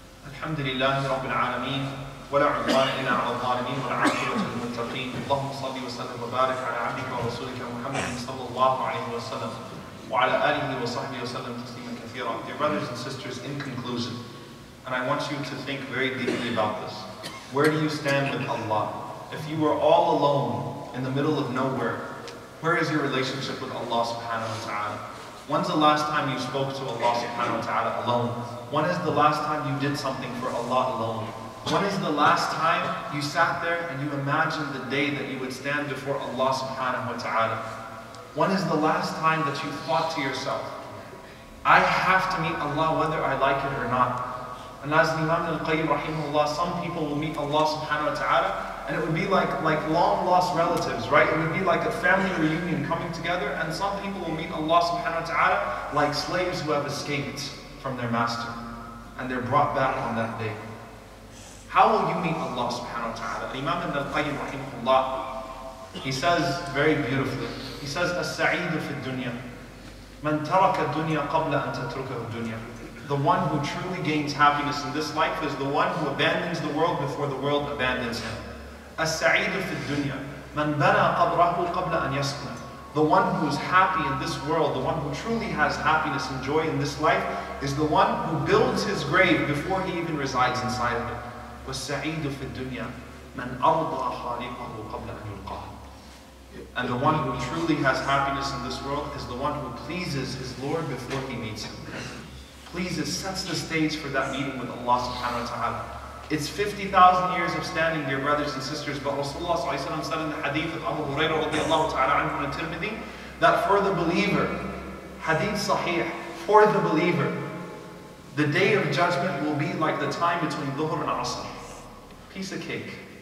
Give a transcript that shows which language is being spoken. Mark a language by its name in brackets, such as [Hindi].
[Arabic] الحمد لله رب العالمين ولا عدوان إلا على الظالمين ولا عاقبة للمتقين اللهم صل وسلم وبارك على عبدك ورسولك محمد صلى الله عليه وسلم وعلى آله وصحبه وسلم تسليما كثيرا. [English] Dear brothers and sisters, in conclusion, and I want you to think very deeply about this. Where do you stand with Allah? If you were all alone in the middle of nowhere, where is your relationship with Allah subhanahu wa ta'ala? When's the last time you spoke to Allah subhanahu wa ta'ala alone? When is the last time you did something for Allah alone? When is the last time you sat there and you imagined the day that you would stand before Allah subhanahu wa ta'ala? When is the last time that you thought to yourself, I have to meet Allah whether I like it or not? And as Imam Al-Qayyim rahimahullah, some people will meet Allah subhanahu wa ta'ala and it would be like long lost relatives, right? It would be like a family reunion coming together, and some people will meet Allah subhanahu wa ta'ala like slaves who have escaped from their master, and they're brought back on that day. How will you meet Allah subhanahu wa ta'ala? Imam Ibn Al-Qayyim rahimahullah, He says very beautifully. He says, [Arabic] السعيد في الدنيا من ترك الدنيا قبل أن تتركه الدنيا. [English] The one who truly gains happiness in this life is the one who abandons the world before the world abandons him. [Arabic] السعيد في الدنيا من بنى قبره قبل أن يسكن. [English] The one who is happy in this world, the one who truly has happiness and joy in this life, is the one who builds his grave before he even resides inside of it. [Arabic] والسعيد في الدنيا من أرضى خالقه قبل أن يلقاه. [English] And the one who truly has happiness in this world is the one who pleases his Lord before he meets him. Pleases, sets the stage for that meeting with Allah subhanahu wa ta'ala. It's 50,000 years of standing, dear brothers and sisters, but Rasulullah sallallahu alayhi wa sallam said in the hadith of Abu Hurairah radiallahu ta'ala anhu and Tirmidhi, that for the believer, hadith sahih, for the believer, the day of judgment will be like the time between Dhuhr and Asr. Piece of cake.